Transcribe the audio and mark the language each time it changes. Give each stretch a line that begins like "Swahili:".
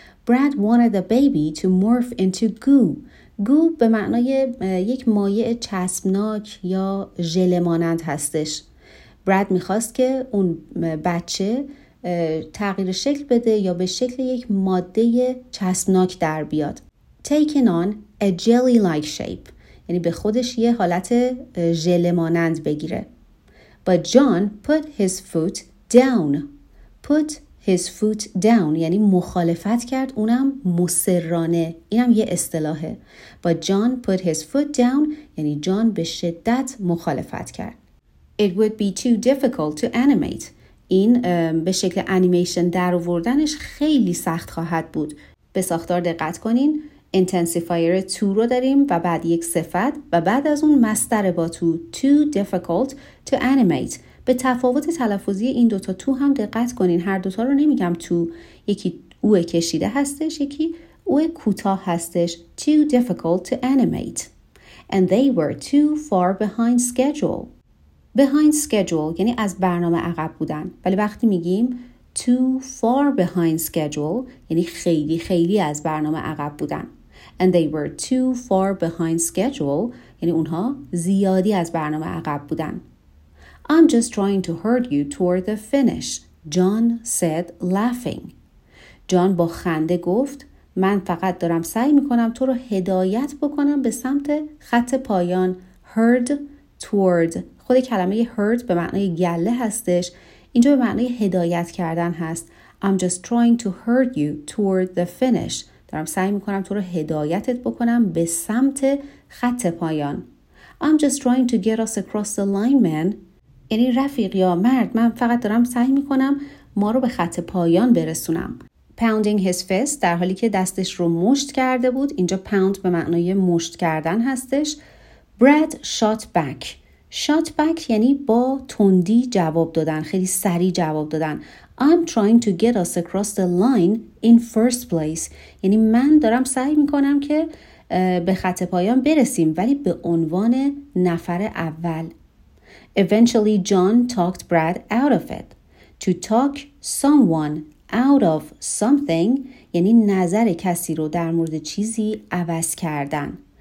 English: Brad wanted the baby to morph into goo.
Persian: گو به معنای یک مایع چسبناک یا ژله مانند هستش. براد میخواست که اون بچه تغییر شکل بده یا به شکل یک ماده چسبناک در بیاد.
English: Taken on a jelly-like shape،
Persian: یعنی به خودش یه حالت ژله مانند بگیره.
English: But John put his foot down. Put his foot down
Persian: یعنی مخالفت کرد، اونم مصرانه. اینم یه اصطلاحه.
English: But John put his foot down
Persian: یعنی جان به شدت مخالفت کرد.
English: It would be too difficult to animate.
Persian: این به شکل انیمیشن در آوردنش خیلی سخت خواهد بود. به ساختار دقت کنین.
English: Intensifier to
Persian: رو داریم و بعد یک صفت و بعد از اون مصدر با to.
English: Too difficult to animate.
Persian: به تفاوت تلفظی این دوتا تو هم دقت کنین. هر دوتا رو نمیگم تو، یکی اوه کشیده هستش، یکی اوه کوتاه هستش.
English: Too difficult to animate. And they were too far behind schedule.
Persian: Behind schedule یعنی از برنامه عقب بودن. ولی وقتی میگیم too far behind schedule یعنی خیلی خیلی از برنامه عقب بودن.
English: And they were too far behind schedule
Persian: یعنی اونها زیادی از برنامه عقب بودن.
English: I'm just trying to hurt you toward the finish, John said laughing.
Persian: جان با خنده گفت من فقط دارم سعی میکنم تو رو هدایت بکنم به سمت خط پایان. heard toward خود کلمه heard به معنای گله هستش، اینجا به معنای هدایت کردن هست.
English: I'm just trying to hurt you toward the finish،
Persian: دارم سعی میکنم تو رو هدایتت بکنم به سمت خط پایان.
English: I'm just trying to get us across the line man،
Persian: یعنی رفیق یا مرد من فقط دارم سعی میکنم ما رو به خط پایان برسونم.
English: Pounding his fist
Persian: در حالی که دستش رو مشت کرده بود، اینجا pound به معنای مشت کردن هستش.
English: Brad shot back.
Persian: Shot back یعنی با تندی جواب دادن، خیلی سریع جواب دادن.
English: I'm trying to get us across the line in first place.
Persian: یعنی من دارم سعی میکنم که به خط پایان برسیم ولی به عنوان نفر اول.
English: Eventually John talked Brad out of it. To talk someone out of something
Persian: یعنی نظر کسی رو در مورد چیزی عوض کردن.